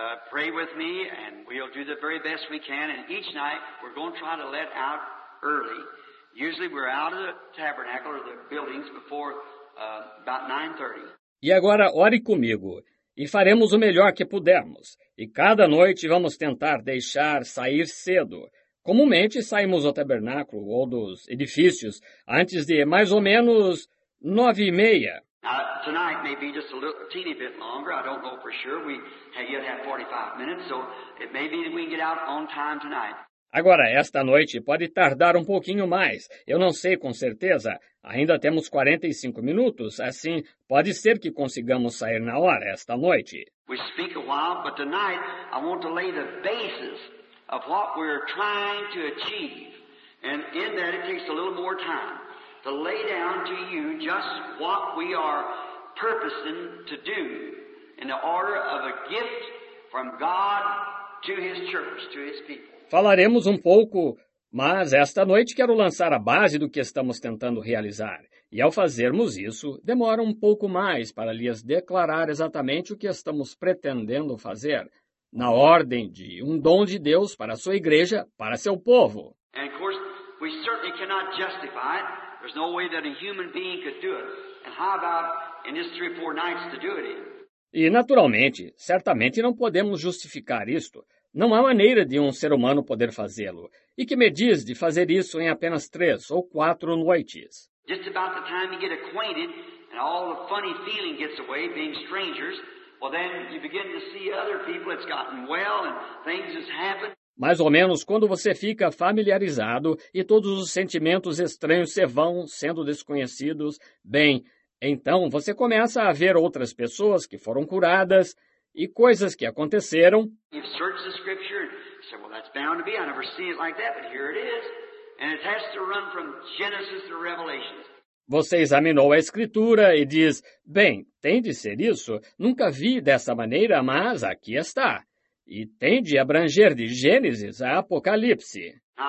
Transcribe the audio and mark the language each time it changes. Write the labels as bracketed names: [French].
[English] Pray with me and we'll do the very best we can and each night we're going to try to let out early. Usually we're out of the tabernacle or the buildings before about 9:30. [Portuguese] E agora ore comigo e faremos o melhor que pudermos. E cada noite vamos tentar deixar sair cedo. Comumente saímos do tabernáculo ou dos edifícios antes de mais ou menos 9:30. [English] Tonight may be just a little teeny bit longer. I don't know for sure. We yet have 45 minutes, so it may be that we can get out on time tonight. [Portuguese] Agora, esta noite pode tardar um pouquinho mais. Eu não sei com certeza. Ainda temos 45 minutos, assim pode ser que consigamos sair na hora esta noite. [English] We speak a while, but tonight I want to lay the basis of what we're trying to achieve. And in that it takes a little more time. To lay down to you just what we are purposing to do in the order of a gift from God to his church, to his people. [Portuguese] Falaremos um pouco, mas esta noite quero lançar a base do que estamos tentando realizar. E ao fazermos isso, demora um pouco mais para lhes declarar exatamente o que estamos pretendendo fazer na ordem de um dom de Deus para a sua igreja, para seu povo. [English] And of course, we certainly cannot justify it. There's no way that a human being could do it. And how about in this 3-4 nights to do it in? [Portuguese] E naturalmente, certamente não podemos justificar isto. Não há maneira de um ser humano poder fazê-lo. E que me diz de fazer isso em apenas 3 ou 4 noites? [English] Just about the time you get acquainted and all the funny feeling gets away, being strangers, well then you begin to see other people, it's gotten well and things have happened. [Portuguese] Mais ou menos quando você fica familiarizado e todos os sentimentos estranhos se vão sendo desconhecidos, bem, então você começa a ver outras pessoas que foram curadas e coisas que aconteceram. [English] You've searched the scripture and said, well, that's bound to be. I never seen it like that, but here it is. And it has to run from Genesis to Revelation. [Portuguese] Você examinou a escritura e diz, bem, tem de ser isso. Nunca vi dessa maneira, mas aqui está. E tem de abranger de Gênesis a Apocalipse.